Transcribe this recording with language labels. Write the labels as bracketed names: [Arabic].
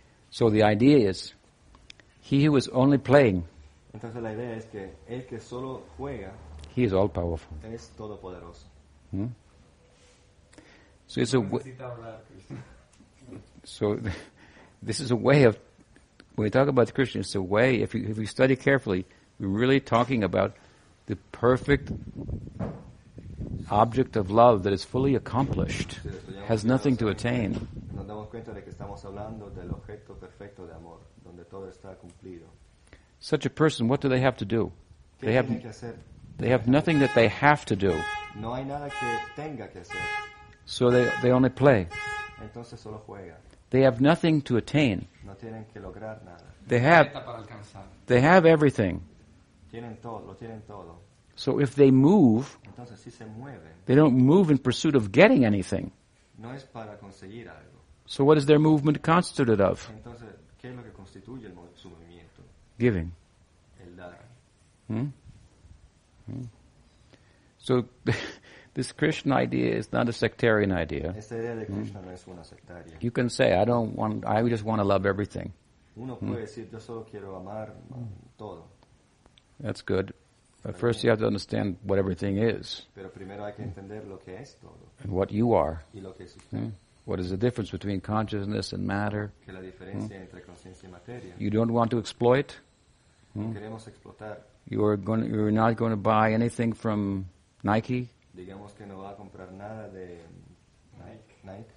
[English] So the idea is, he who is only playing, [Spanish] entonces la idea es que el que solo juega, [English] he is all powerful. [Spanish] Es todopoderoso. Hmm? [English] So it's so this is a way of, when we talk about Krishna, it's a way, if we study carefully, we're really talking about the perfect object of love that is fully accomplished, has nothing to attain. [Spanish] Nos damos cuenta de que estamos hablando del objeto perfecto de amor, donde todo está cumplido. [English] Such a person, what do they have to do? They have, [Spanish] que hacer? [English] They have nothing that they have to do. [Spanish] No hay nada que tenga que hacer. [English] So they only play. [Spanish] Entonces solo juega. [English] They have nothing to attain. [Spanish] No tienen que lograr nada. [English] They have everything. [Spanish] Tienen todo, lo tienen todo. [English] So if they move, [Spanish] entonces, si se mueven, [English] they don't move in pursuit of getting anything. [Spanish] No es para conseguir algo. [English] So what is their movement constituted of? [Spanish] Entonces, ¿qué es lo que constituye el su movimiento? [English] Giving. [Spanish] El dar. Hmm? Hmm. [English] So this Krishna idea is not a sectarian idea. [Spanish] Esta idea de Krishna no es una sectaria. [English] You can say, I just want to love everything. [Spanish] Uno puede decir, yo solo quiero amar todo. [English] That's good. But first you have to understand what everything is. [Spanish] Pero primero hay que entender lo que es todo. [English] And what you are. [Spanish] Y lo que es usted. Mm? [English] What is the difference between consciousness and matter? [Spanish] Que la diferencia mm? Entre consciencia y materia. [English] You don't want to exploit. [Spanish] Mm? No queremos explotar. [English] You're not going to buy anything from Nike. [Spanish] Digamos que no va a comprar nada de Nike.